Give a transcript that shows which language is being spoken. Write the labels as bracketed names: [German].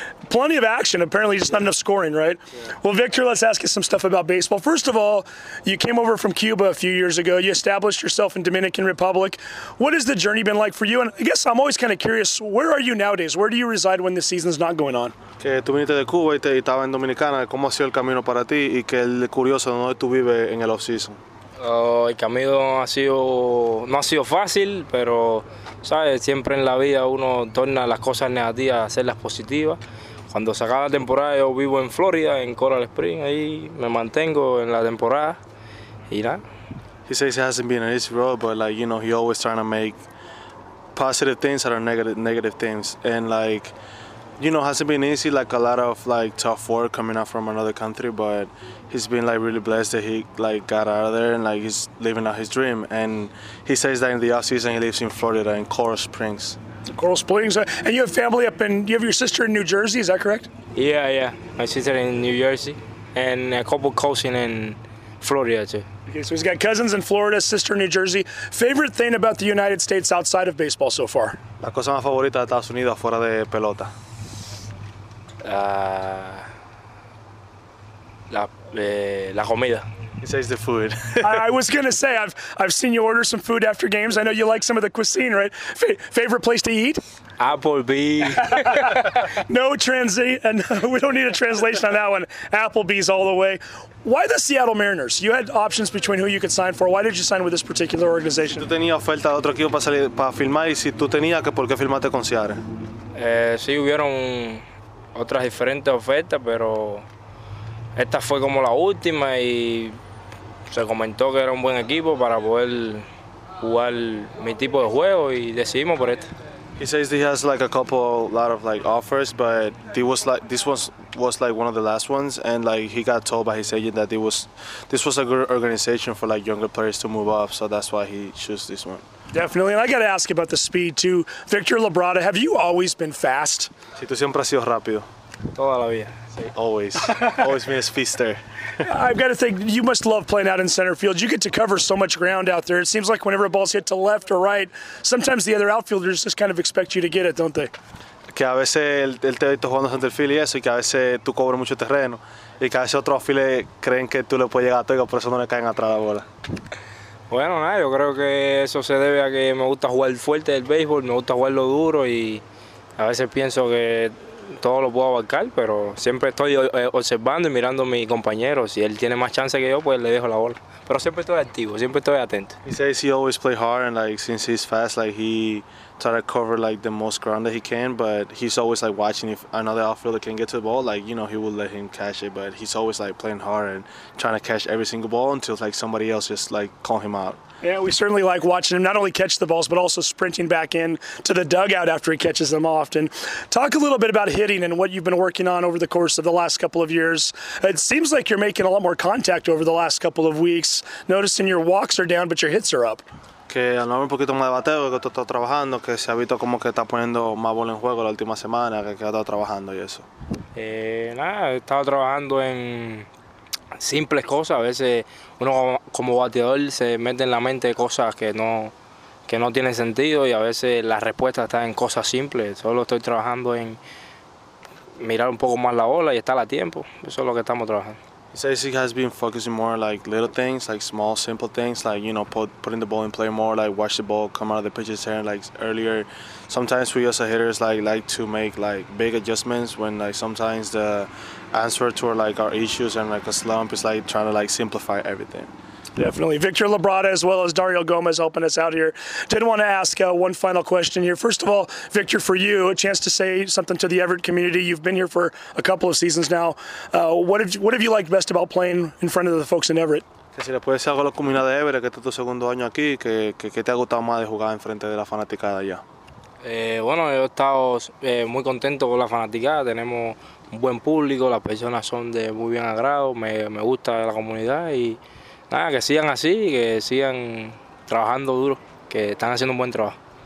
[English] Plenty of action, apparently just not enough scoring, right? Yeah. Well, Victor, let's ask you some stuff about baseball. First of all, you came over from Cuba a few years ago. You established yourself in Dominican Republic. What has the journey been like for you? And I guess I'm always kind of curious, where are you nowadays? Where do you reside when the season's not going on? [Spanish] Que tú viniste de Cuba y estaba en Dominicana. ¿Cómo ha sido el camino para ti? Y que el curioso, ¿dónde tú vives en el off-season? El camino no ha sido fácil, pero sabes, siempre en la vida uno torna las cosas negativas a hacerlas positivas. Cuando se acaba la temporada, yo vivo en Florida, en Coral Springs, ahí me mantengo en la temporada y nada. [English] He says it hasn't been an easy road, but like, you know, he always trying to make positive things out of negative things. And like, you know, hasn't been easy, like a lot of like tough work coming out from another country, but he's been like really blessed that he like got out of there and like he's living out his dream. And he says that in the offseason he lives in Florida in Coral Springs. Coral Springs, and you have family up in, you have your sister in New Jersey, is that correct? Yeah, my sister in New Jersey and a couple cousins in Florida too. Okay, so he's got cousins in Florida, sister in New Jersey. Favorite thing about the United States outside of baseball so far? [Spanish] La cosa más favorita de Estados Unidos fuera de pelota. La comida. [English] He says the food. I was gonna say I've seen you order some food after games. I know you like some of the cuisine, right? Favorite place to eat? Applebee's. We don't need a translation on that one. Applebee's all the way. Why the Seattle Mariners? You had options between who you could sign for. Why did you sign with this particular organization? [Spanish] Si tú tenías oferta de otro equipo para salir para firmar, y si tú tenías que por qué firmaste con Seattle? Sí, hubieron otras diferentes ofertas, pero esta fue como la última y se comentó que era un buen equipo para poder jugar mi tipo de juego y decidimos por esta. [English] He says he has like a couple, lot of like offers, but this was one of the last ones, and like he got told by his agent that this was a good organization for like younger players to move up, so that's why he chose this one. Definitely, and I got to ask about the speed too. Victor Labrada, have you always been fast? [Spanish] Sí, tú siempre has sido rápido. Toda la vida. [English] Always. Always been a speedster. I've got to think, you must love playing out in center field. You get to cover so much ground out there. It seems like whenever a ball's hit to left or right, sometimes the other outfielders just kind of expect you to get it, don't they? [Spanish] Que a veces él te ha visto jugando center field y eso, y que a veces tú cobras mucho terreno, y que a veces otros outfielders creen que tú le puedes llegar a todo, y por eso no le caen atrás la bola. Bueno, nada, yo creo que eso se debe a que me gusta jugar fuerte del béisbol, me gusta jugarlo duro y a veces pienso que todo lo puedo abarcar, pero siempre estoy observando y mirando a mi compañero. Si él tiene más chance que yo, pues le dejo la bola. Pero siempre estoy activo, siempre estoy atento. [English] He says he always play hard and like since he's fast, like he try to cover like the most ground that he can, but he's always like watching if another outfielder can get to the ball, like, you know, he will let him catch it, but he's always like playing hard and trying to catch every single ball until like somebody else just like call him out. Yeah, we certainly like watching him not only catch the balls, but also sprinting back in to the dugout after he catches them often. Talk a little bit about hitting and what you've been working on over the course of the last couple of years. It seems like you're making a lot more contact over the last couple of weeks. Noticing your walks are down, but your hits are up. [Spanish] Que a lo mejor un poquito más de bateo que tú estás trabajando, que se ha visto como que está poniendo más bola en juego la última semana, que ha estado trabajando y eso. Nada, he estado trabajando en simples cosas. A veces uno como bateador se mete en la mente cosas que no tienen sentido y a veces la respuesta está en cosas simples. Solo estoy trabajando en mirar un poco más la bola y estar a tiempo. Eso es lo que estamos trabajando. [English] He says he has been focusing more like little things, like small, simple things, like, you know, putting the ball in play more, like watch the ball come out of the pitcher's hand like earlier. Sometimes we as a hitters like to make like big adjustments when like sometimes the answer to like our issues and like a slump is like trying to like simplify everything. Definitely. Victor Labrada as well as Dario Gomez helping us out here. Did want to ask one final question here. First of all, Victor, for you, a chance to say something to the Everett community. You've been here for a couple of seasons now. What have you liked best about playing in front of the folks in Everett? [Spanish] Si le puedes decir algo a la comunidad de Everett, que este es tu segundo año aquí, que te ha gustado más de jugar en frente de la fanaticada allá? Bueno, yo he estado muy contento con la fanaticada. Tenemos un buen público, las personas son de muy bien agrado. Me gusta la comunidad y nada, que sigan así, que sigan trabajando duro, que están haciendo un buen trabajo.